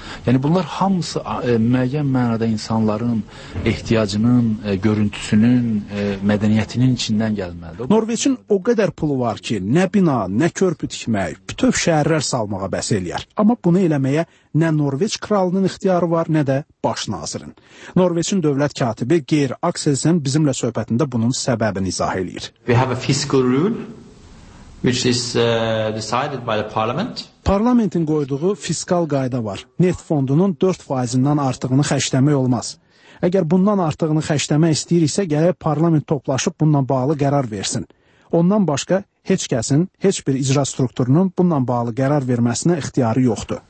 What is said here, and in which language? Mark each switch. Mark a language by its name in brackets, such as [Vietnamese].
[Azerbaijani] Yəni, bunlar hamısı müəyyən mənada insanların ehtiyacının, görüntüsünün, mədəniyyətinin içindən gəlməlidir. Norveçin o qədər pulu var ki, nə bina, nə körpü tikmək, bütöv şəhərlər salmağa bəs eləyər. Amma bunu eləməyə nə Norveç kralının ixtiyarı var, nə də baş nazirin. Norveçin dövlət katibi Geir Axelsen bizimlə söhbətində bunun səbəbini izah eləyir. [English] We have a fiscal rule which is decided by the parliament. [Azerbaijani] Parlamentin qoyduğu fiskal qayda var. Neft fondunun 4%-dən artığını xərcləmək olmaz. Əgər bundan artığını xərcləmək istəyiriksə, gərək parlament toplaşıb bununla bağlı qərar versin. Ondan başqa heç kəsin, heç bir icra strukturunun bununla bağlı qərar verməsinə ixtiyarı yoxdur.